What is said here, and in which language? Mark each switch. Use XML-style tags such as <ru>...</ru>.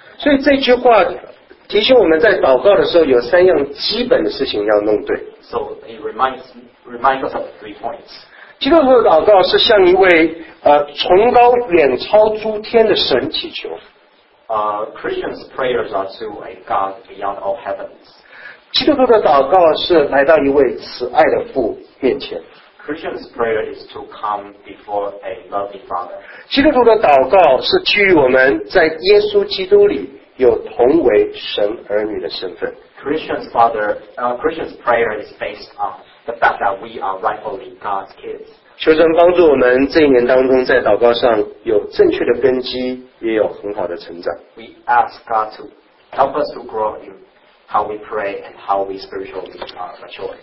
<zh>所以这句话提醒我们在祷告的时候有三样基本的事情要弄对。</zh> <en>So it reminds us of three points.</en> <zh>基督徒的祷告是向一位崇高远超诸天的神祈求。</zh> <en>Christians' prayers are to a God beyond all heavens.</en> <zh>基督徒的祷告是来到一位慈爱的父面前。</zh> <en>Christians' prayer is to come before a loving Father.</en> <zh>基督徒的祷告是基于我们在耶稣基督里有同为神儿女的身份。</zh> <en>Christian's prayer is based on the fact that we are rightfully God's kids.</en> <zh>求神帮助我们这一年当中在祷告上有正确的根基，也有很好的成长。</zh> <en>We ask God to help us to grow in how we pray and how we spiritually mature.</en>